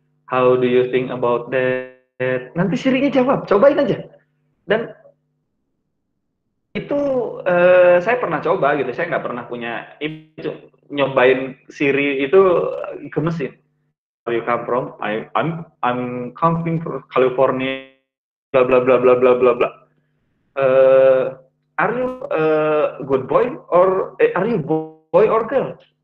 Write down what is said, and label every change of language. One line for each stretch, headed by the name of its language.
English: How do you think about that?
Indonesian: Nanti Siri-nya jawab, cobain aja. Dan itu saya pernah coba gitu, saya nggak pernah punya IPIN, nyobain Siri itu ke mesin.
English: Where you come from? I'm coming from California. Bla bla bla bla bla bla bla. Are you a good boy or are you boy or girl?